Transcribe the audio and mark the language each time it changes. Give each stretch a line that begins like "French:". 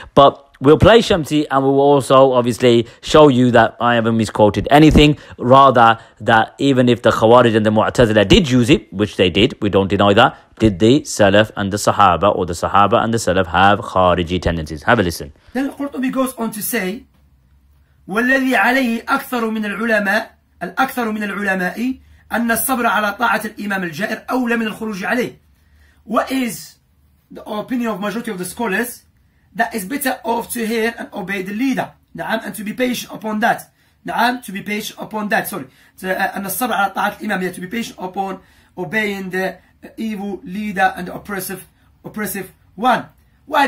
English: But we'll play Shamsi and we'll also obviously show you that I haven't misquoted anything, rather that even if the Khawarij and the Mu'tazila did use it, which they did, we don't deny that, did the Salaf and the Sahaba, or the Sahaba and the Salaf, have Khariji tendencies? Have a listen. Then al-Qurtubi goes on to say,
Arabic: والذي عليه أكثر من العلماء الأكثر من العلماء أن الصبر على طاعة الإمام الجائر أولى من الخروج عليه.
English: What is the opinion of majority of the scholars? That is better off to hear and obey the leader. نعم, and to be patient upon that. نعم, to be patient upon that. Sorry.
Arabic: أن الصبر على طاعة الإمام,
English: yeah, to be patient upon obeying the evil leader and the oppressive one. Why?